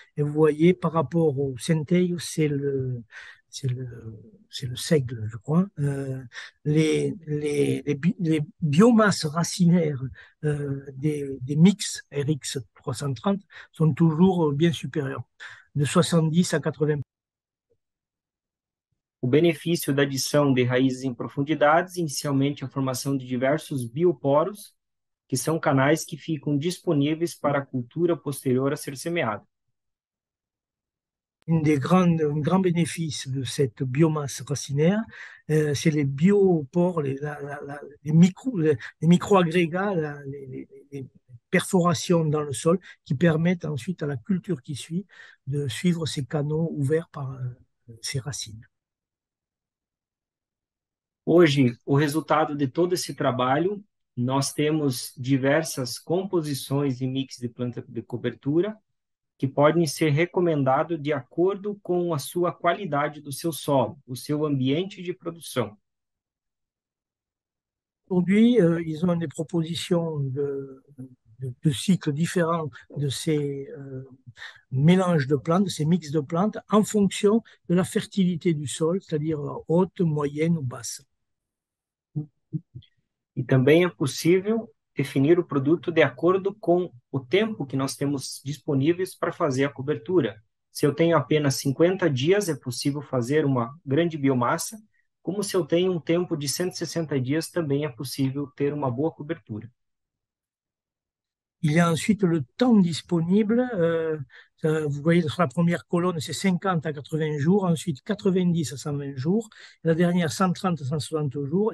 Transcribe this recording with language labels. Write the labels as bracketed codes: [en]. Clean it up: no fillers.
[fr] Et vous voyez, par rapport au Centeio, c'est le seigle, je crois. Les biomasses racinaires des mix RX330 sont toujours bien supérieures, de 70 à 80%. [pt] O benefício da adição de raízes em profundidades, inicialmente a formação de diversos bioporos, que são canais que ficam disponíveis para a cultura posterior a ser semeada. [fr] Un grand bénéfice de cette biomasse racinaire, c'est les biopores, les micro-agrégats, les perforations dans le sol qui permettent ensuite à la culture qui suit de suivre ces canaux ouverts par ses racines. [pt] Hoje, o resultado de todo esse trabalho, nós temos diversas composições e mix de planta de cobertura que podem ser recomendados de acordo com a sua qualidade do seu solo, o seu ambiente de produção. [fr] Aujourd'hui, ils ont des propositions de cycles différents de ces mélanges de plantes, de ces mix de plantes, en fonction de la fertilité du sol, c'est-à-dire haute, moyenne ou basse. [pt] E também é possível definir o produto de acordo com o tempo que nós temos disponíveis para fazer a cobertura. Se eu tenho apenas 50 dias, é possível fazer uma grande biomassa, como se eu tenho um tempo de 160 dias, também é possível ter uma boa cobertura. [fr] Il y a ensuite le temps disponible. Vous voyez sur la première colonne, c'est 50 à 80 jours, ensuite 90 à 120 jours, et la dernière 130 à 160 jours.